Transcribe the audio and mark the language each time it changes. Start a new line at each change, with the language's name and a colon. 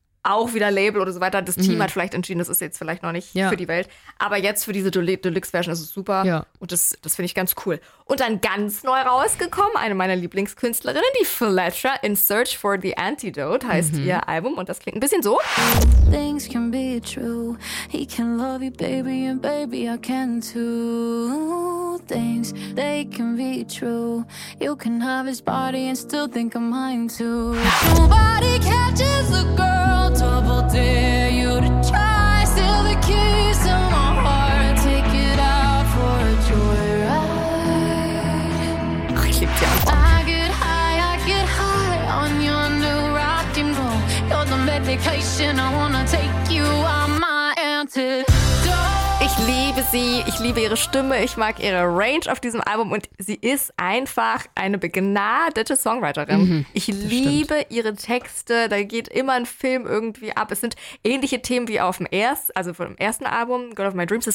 German: Auch wieder Label oder so weiter. Das Team hat vielleicht entschieden, das ist jetzt vielleicht noch nicht für die Welt. Aber jetzt für diese Deluxe-Version ist es super. Ja. Und das finde ich ganz cool. Und dann ganz neu rausgekommen, eine meiner Lieblingskünstlerinnen, die Fletcher, In Search for the Antidote heißt ihr Album. Und das klingt ein bisschen so.
English: Things can be true. He can love you, baby, and baby, I can too. Things, they can be true. You can have his body and still think of mine too. Nobody catches a girl, double dare you to try. Steal the keys to my heart, take it out for a joyride. I get high, I get high on your new rock and roll. You're the medication, I wanna take you on my antidote.
German: Ich liebe sie, ich liebe ihre Stimme, ich mag ihre Range auf diesem Album und sie ist einfach eine begnadete Songwriterin. Ich liebe ihre Texte, da geht immer ein Film irgendwie ab. Es sind ähnliche Themen wie auf dem ersten Album, Girl of My Dreams.